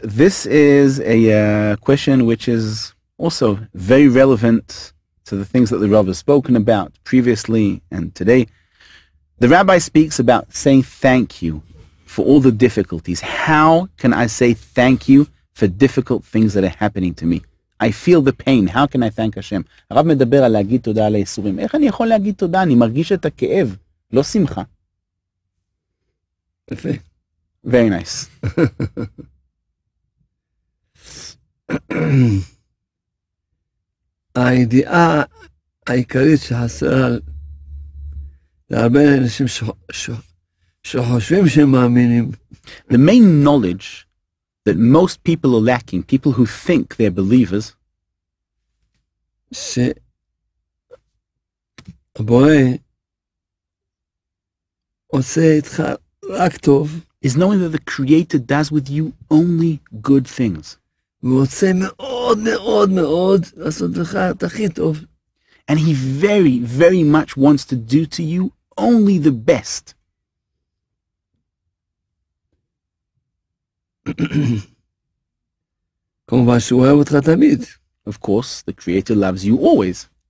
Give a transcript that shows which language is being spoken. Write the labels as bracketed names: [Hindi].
[English] This is a question which is also very relevant to the things that the Rav has spoken about previously and today. The Rabbi speaks about saying thank you for all the difficulties. How can I say thank you for difficult things that are happening to me? I feel the pain. How can I thank Hashem? [Hebrew] הרב מדבר על להגיד תודה על היסורים. איך אני יכול להגיד תודה? אני מרגיש את הכאב, לא שמחה. [English] Very nice. [Hebrew] הידיעה העיקרית שחסרה להרבה אנשים שחושבים שהם מאמינים. [English] The main knowledge that most people are lacking, people who think they're believers, [Hebrew] שהבורא עושה איתך רק טוב, [English] is knowing that the Creator does with you only good things. [Hebrew] ועושה מאוד מאוד מאוד לעשות לך את הכי טוב. [English] And he very, very much wants to do to you only the best. Of course, the Creator loves you always.